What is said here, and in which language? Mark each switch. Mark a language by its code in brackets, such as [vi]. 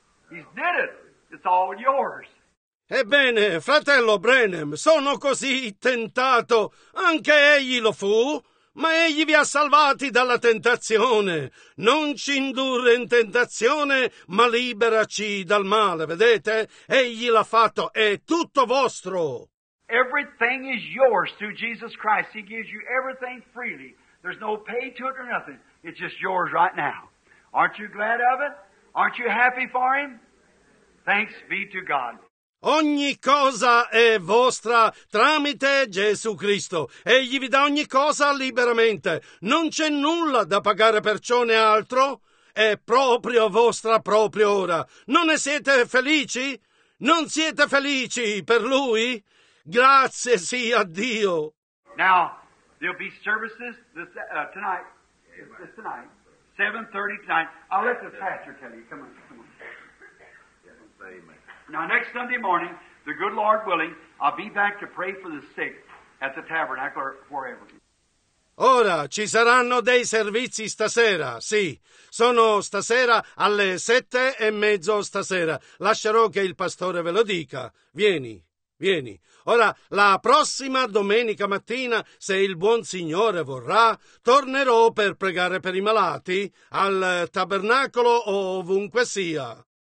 [en] He did it. It's all yours. [it] Ebbene, fratello Branham, sono così tentato, anche egli lo fu, ma egli vi ha salvati dalla tentazione. Non ci indurre in tentazione, ma liberaci dal male, vedete? Egli l'ha fatto, è tutto vostro. [en] Everything is yours through Jesus Christ. He gives you everything freely. There's no pay to it or nothing. It's just yours right now. Aren't you glad of it? Aren't you happy for him? Thanks be to God. [it] Ogni cosa è vostra tramite Gesù Cristo. Egli vi dà ogni cosa liberamente. Non c'è nulla da pagare per ciò né altro. È proprio vostra proprio ora. Non ne siete felici? Non siete felici per Lui? Grazie sia a Dio. [en] Now, there'll be services this, tonight. It's tonight. 7:30 tonight. I'll let the pastor tell you. Come on. Now, next Sunday morning, the good Lord willing, I'll be back to pray for the sick at the tabernacle or wherever. [it] Ora, ci saranno dei servizi stasera, sì. Sono stasera alle 7:30 stasera. Lascerò che il pastore ve lo dica. Vieni, vieni. Ora, la prossima domenica mattina, se il buon Signore vorrà, tornerò per pregare per i malati al tabernacolo o ovunque sia.